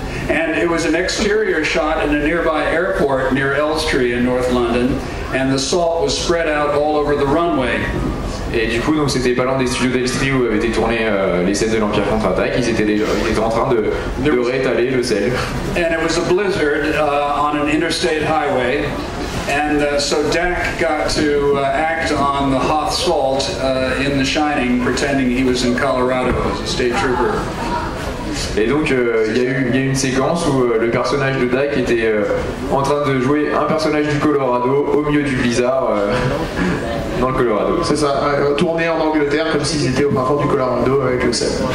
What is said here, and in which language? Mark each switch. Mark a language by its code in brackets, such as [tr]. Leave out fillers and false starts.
[en] And it was an exterior shot in a nearby airport near Elstree in North London, and the salt was spread out all over the runway. [fr] Et du coup, donc c'était pas loin des studios d'Elstree où avaient été tournées les scènes de l'Empire contre-attaque. Ils étaient en train de réétaler le sel. [en] And it was a blizzard on an interstate highway, and so Dak got to act on the Hoth salt in The Shining, pretending he was in Colorado as a state trooper. [fr] Et donc il y a eu une séquence où le personnage de Dak était en train de jouer un personnage du Colorado au milieu du blizzard dans le Colorado. C'est ça, tourner en Angleterre comme s'ils étaient au fin fond du Colorado avec le sel.